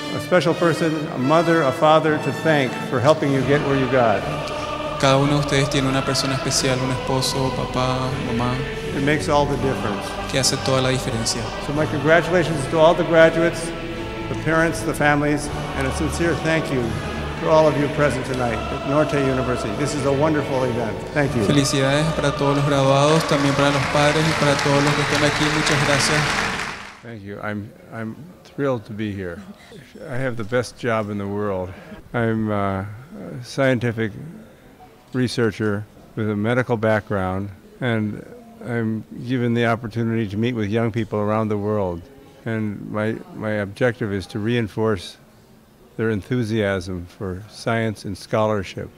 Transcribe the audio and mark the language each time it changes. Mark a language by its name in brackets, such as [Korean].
[English] Special person, a mother, a father to thank for helping you get where you got. [Spanish] Cada uno de ustedes tiene una persona especial, un esposo, papá, mamá. [English] It makes all the difference. [Spanish] Que hace toda la diferencia. [English] So my congratulations to all the graduates, the parents, the families, and a sincere thank you to all of you present tonight at Norte University. This is a wonderful event. Thank you. [Spanish] Felicidades para todos los graduados, también para los padres y para todos los que están aquí. Muchas gracias. [English] Thank you. I'm thrilled to be here. I have the best job in the world. I'm a scientific researcher with a medical background, and I'm given the opportunity to meet with young people around the world. And my objective is to reinforce their enthusiasm for science and scholarship.